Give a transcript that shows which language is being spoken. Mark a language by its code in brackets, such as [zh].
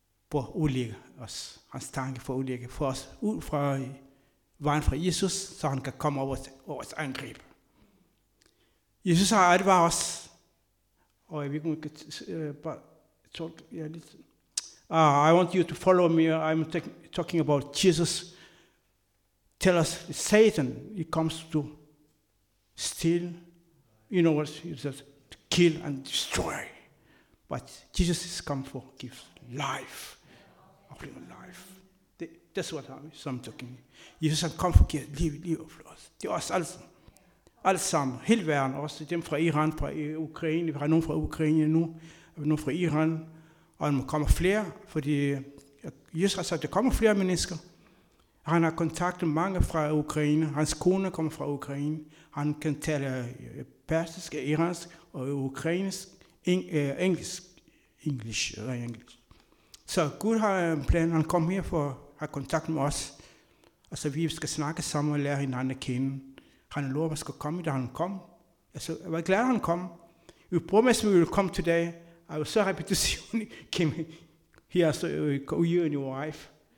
[da] For at udlægge os, hans tanke for at udlægge for os ud fra vejen fra Jesus, så han kan komme over vores angreb. Jesus har advaret os, og jeg ved ikke, om jeg kan tolke lidt. [en] I want you to follow me. I'm talking about Jesus. Tell us, Satan, he comes to steal, you know what he says, to kill and destroy. But Jesus has come for give life. Life. That's what I'm talking. [da] Jesus har kommet for at give liv for os. Det er os alle sammen. Hele verden også. Dem fra Iran, fra Ukraine. Vi har nogen fra Ukraine nu. Vi har nogen fra Iran. Og der kommer flere. Fordi Jesus har sagt, der kommer flere mennesker. Han har kontaktet mange fra Ukraine. Hans kone kommer fra Ukraine. Han kan tale persisk, iransk og ukrainsk. Engelsk. Engelsk. Engelsk. Så Gud har en plan, han kom her for at have kontakt med os, og så vi skal snakke sammen og lære hinanden at kende. Han lover, at vi skal komme, da han kom. Altså, jeg var glad, at han kom. Vi prøver med, at vi ville komme i dag. Jeg var så [en] happy to see when he came here, so you and your wife.